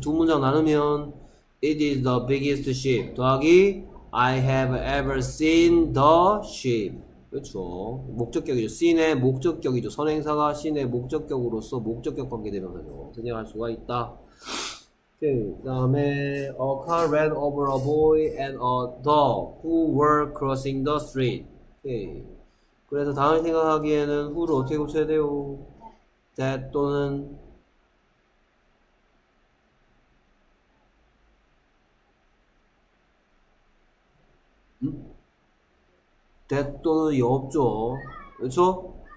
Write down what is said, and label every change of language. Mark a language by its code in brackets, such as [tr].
[ko] 두 문장 나누면 [en] It is the biggest ship [ko] 더하기 [en] I have ever seen the ship. [ko] 그렇죠. 목적격이죠. seen의 목적격이죠. 선행사가 seen의 목적격으로서 목적격 관계대명사죠. 생략할 수가 있다. 그 다음에 [en] A car ran over a boy and a dog who were crossing the street. [ko] 오케이. 그래서 다음 생각하기에는 who를 어떻게 고쳐야 돼요? that 또는 that 또는 이 없죠. 그렇죠?